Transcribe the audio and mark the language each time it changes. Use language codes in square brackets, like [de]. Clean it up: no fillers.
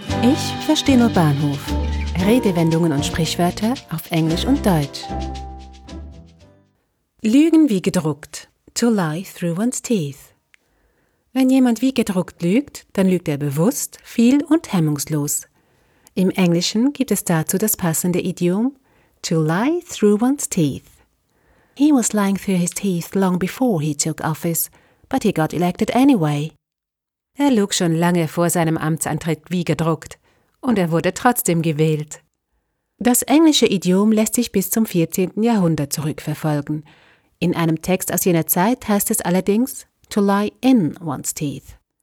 [de] Ich verstehe nur Bahnhof. Redewendungen und Sprichwörter auf Englisch und Deutsch. Lügen wie gedruckt. [en] To lie through one's teeth. [de] Wenn jemand wie gedruckt lügt, dann lügt er bewusst, viel und hemmungslos. Im Englischen gibt es dazu das passende Idiom [en] to lie through one's teeth. He was lying through his teeth long before he took office, but he got elected anyway. [de] Er lug schon lange vor seinem Amtsantritt wie gedruckt und er wurde trotzdem gewählt. Das englische Idiom lässt sich bis zum 14. Jahrhundert zurückverfolgen. In einem Text aus jener Zeit heißt es allerdings [en] to lie in one's teeth.